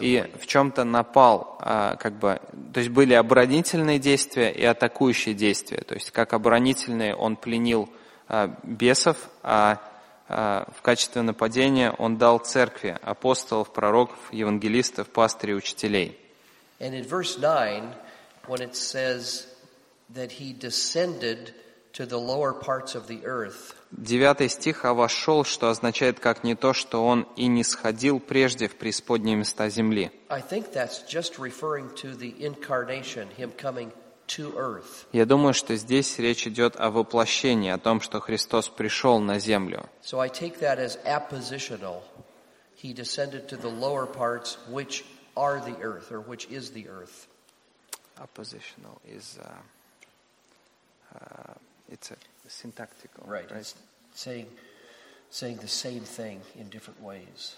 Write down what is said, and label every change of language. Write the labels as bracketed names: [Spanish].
[Russian] И в чем-то напал, как бы, то есть были оборонительные действия и атакующие действия. То есть как оборонительные он пленил бесов, а в качестве нападения он дал церкви апостолов, пророков, евангелистов, пастырей, учителей. [English] And in verse 9, when it says that he descended to the lower parts of the earth. [Russian] 9 стих «а вошел», что означает как не то, что он и не сходил прежде в преисподние места земли. [English] I think that's just referring to the incarnation, him coming to earth. [Russian] Я думаю, что здесь речь идет о воплощении, о том, что Христос пришел на землю. [English] So I take that as appositional. He descended to the lower parts, which are the earth, or which is the earth. Appositional is it's a syntactical. Right. It's saying the same thing in different ways.